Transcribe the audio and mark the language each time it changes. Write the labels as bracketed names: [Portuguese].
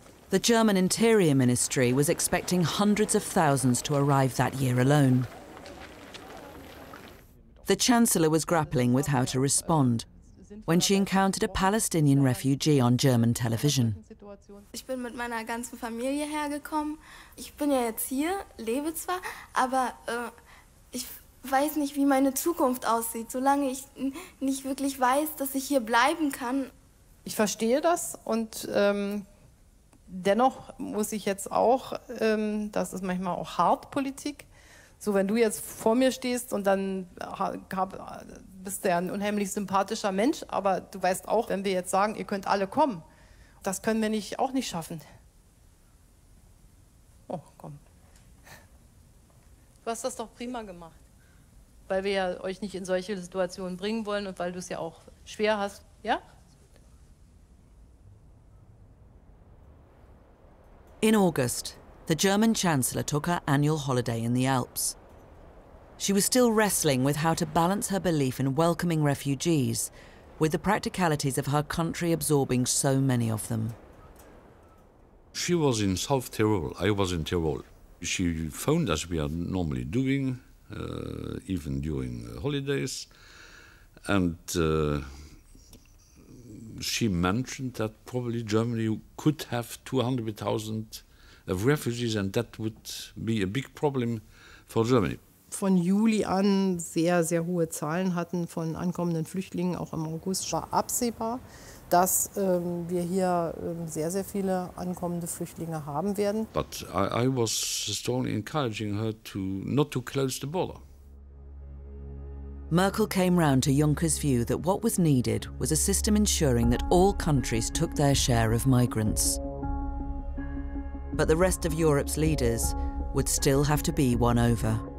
[English] The German Interior Ministry was expecting hundreds of thousands to arrive that year alone. The Chancellor was grappling with how to respond when she encountered a Palestinian refugee on German television. [German] Ich bin mit meiner ganzen Familie hergekommen. Ich bin ja jetzt hier, lebe zwar, aber ich weiß nicht, wie meine Zukunft aussieht, solange ich nicht wirklich weiß, dass ich hier bleiben kann. Ich verstehe das und dennoch muss ich jetzt auch, das ist manchmal auch hart Politik, so wenn du jetzt vor mir stehst und dann bist du ja ein unheimlich sympathischer Mensch, aber du weißt auch, wenn wir jetzt sagen, ihr könnt alle kommen, das können wir nicht, auch nicht schaffen. Oh, komm. Du hast das doch prima gemacht, weil wir ja euch nicht in solche Situationen bringen wollen und weil du es ja auch schwer hast, ja? [English] In August, the German Chancellor took her annual holiday in the Alps. She was still wrestling with how to balance her belief in welcoming refugees with the practicalities of her country absorbing so many of them. She was in South Tyrol, I was in Tyrol. She phoned, as we are normally doing, even during holidays, and she mentioned that probably Germany could have 200,000 of refugees and that would be a big problem for Germany. [German] Von Juli an sehr, sehr hohe Zahlen hatten von ankommenden Flüchtlingen, auch im August war absehbar, dass wir hier sehr, sehr viele ankommende Flüchtlinge haben werden. [English] But I was strongly encouraging her to not to close the border. Merkel came round to Juncker's view that what was needed was a system ensuring that all countries took their share of migrants. But the rest of Europe's leaders would still have to be won over.